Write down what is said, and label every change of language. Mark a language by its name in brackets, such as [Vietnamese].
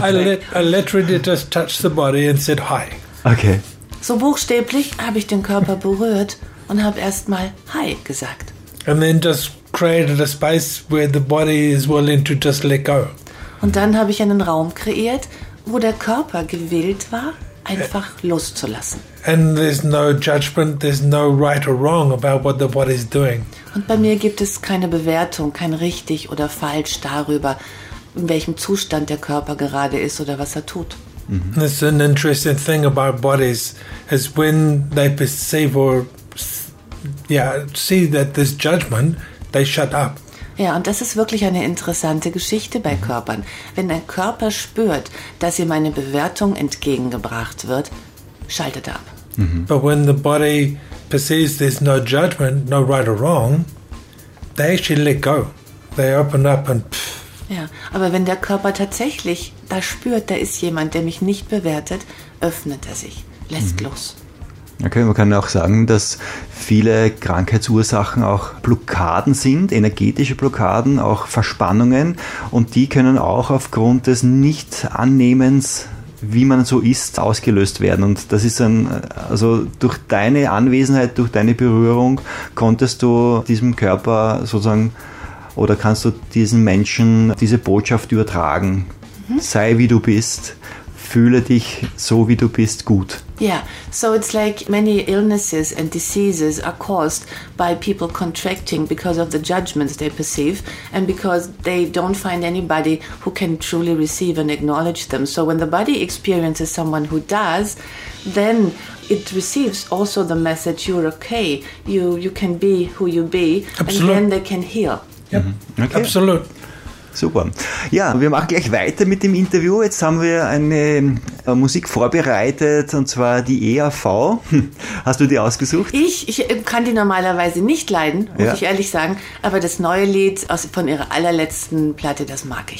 [English] I literally just touched the body and said hi. Okay. [German] So buchstäblich habe ich den Körper berührt und habe erst mal hi gesagt. [English] And then just created a space where the body is willing to just let go. [German] Und dann habe ich einen Raum kreiert, wo der Körper gewillt war, einfach loszulassen. [English] And there's no judgment, there's no right or wrong about what the body is doing. [German] Und bei mir gibt es keine Bewertung, kein richtig oder falsch darüber, in welchem Zustand der Körper gerade ist oder was tut. Mm-hmm. [English] It's an interesting thing about bodies is when they perceive or see that there's judgment, they shut up. [German] Ja, und das ist wirklich eine interessante Geschichte bei Körpern. Wenn ein Körper spürt, dass ihm eine Bewertung entgegengebracht wird, schaltet ab. Mm-hmm. [English] But when the body perceives there's no judgment, no right or wrong, they actually let go. They open up and pff. [German] Ja, aber wenn der Körper tatsächlich da spürt, da ist jemand, der mich nicht bewertet, öffnet er sich, lässt los. Okay, man kann auch sagen, dass viele Krankheitsursachen auch Blockaden sind, energetische Blockaden, auch Verspannungen. Und die können auch aufgrund des Nicht-Annehmens, wie man so ist, ausgelöst werden. Und das ist dann, also durch deine Anwesenheit, durch deine Berührung, konntest du diesem Körper sozusagen, oder kannst du diesen Menschen diese Botschaft übertragen. Mhm. Sei wie du bist. Fühle dich so, wie du bist, gut. [English] Yeah, so it's like many illnesses and diseases are caused by people contracting because of the judgments they perceive and because they don't find anybody who can truly receive and acknowledge them. So when the body experiences someone who does, then it receives also the message, you're okay, you can be who you be. Absolute. And then they can heal. Yep. Mm-hmm. Okay. Absolutely. [German] Super. Ja, wir machen gleich weiter mit dem Interview. Jetzt haben wir eine Musik vorbereitet, und zwar die EAV. Hast du die ausgesucht? Ich kann die normalerweise nicht leiden, muss ich ehrlich sagen. Aber das neue Lied von ihrer allerletzten Platte, das mag ich.